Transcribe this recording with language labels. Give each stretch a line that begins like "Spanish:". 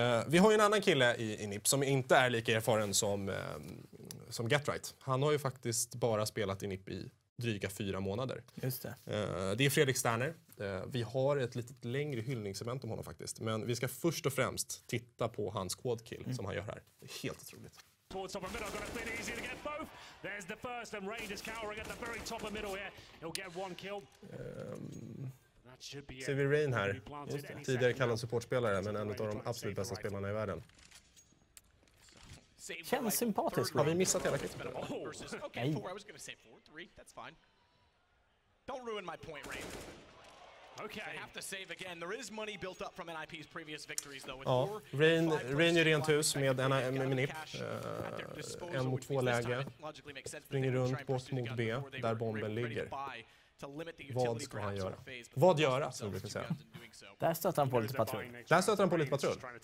Swedish: Vi har ju en annan kille i NIP som inte är lika erfaren som Getright. Han har ju faktiskt bara spelat i NIP i dryga 4 månader. Just det. Det är Fredrik Sterner. Vi har ett lite längre hyllningsevent om honom faktiskt. Men vi ska först och främst titta på hans quad kill som han gör här. Det är helt otroligt.
English: Towards top of middle, got a bit easier to get both. There's the first, and Rain is cowering at the very top of middle here. He'll get one kill. That should be it.
Swedish: Ser vi Rain här? Tidigare kallad supportspelare, men en av de absolut bästa spelarna i världen. Känns sympatisk. Har vi missat hela kriget?
English: Okay, 4. I was gonna say 4-3. That's fine. Don't ruin my point, Rain. Okay, I have to save again. There is money built up from NIP's previous victories though.
Swedish: Ja, Rain är rent hus med NIP. En mot två läge. Springer runt bort mot B där bomben ligger. Vad ska han göra? Vad göra, som vi brukar säga. Där stöter han på lite patrull. Där stöter han på lite patrull.